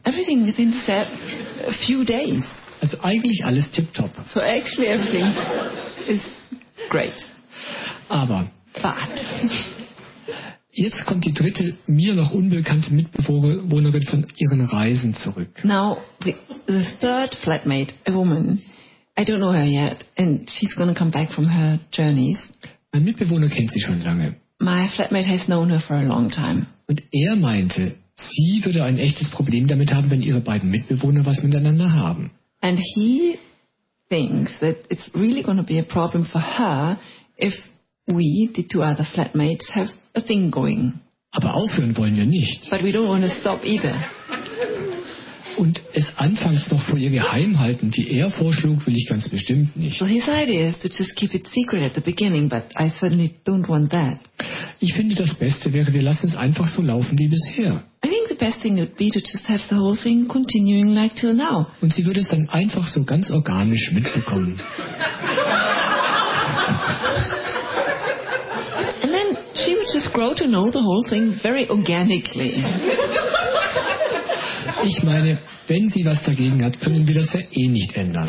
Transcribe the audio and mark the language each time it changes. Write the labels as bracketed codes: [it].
[en] Everything within a few days. [de] Also eigentlich alles tipptopp. [en] So actually everything is great. [de] Aber. [en] But. [de] Jetzt kommt die dritte, mir noch unbekannte Mitbewohnerin von ihren Reisen zurück. [en] Now, the third flatmate, a woman, I don't know her yet, and she's going to come back from her journeys. [de] Mein Mitbewohner kennt sie schon lange. [en] My flatmate has known her for a long time. [de] Und er meinte, sie würde ein echtes Problem damit haben, wenn ihre beiden Mitbewohner was miteinander haben. [en] And he thinks that it's really going to be a problem for her if we, the two other flatmates, have a thing going. [de] Aber aufhören wollen wir nicht. [en] But we don't want to stop either. [de] Und es anfangs noch vor ihr geheim halten, wie er vorschlug, will ich ganz bestimmt nicht. [en] So his idea is to just keep it secret at the beginning, but I certainly don't want that. [de] Ich finde, das Beste wäre, wir lassen es einfach so laufen wie bisher. [en] I think the best thing would be to just have the whole thing continuing like till now. [de] Und sie würde es dann einfach so ganz organisch mitbekommen. [en] And then she would just grow to know the whole thing very organically. [de] Ich meine, wenn sie was dagegen hat, können wir das ja eh nicht ändern.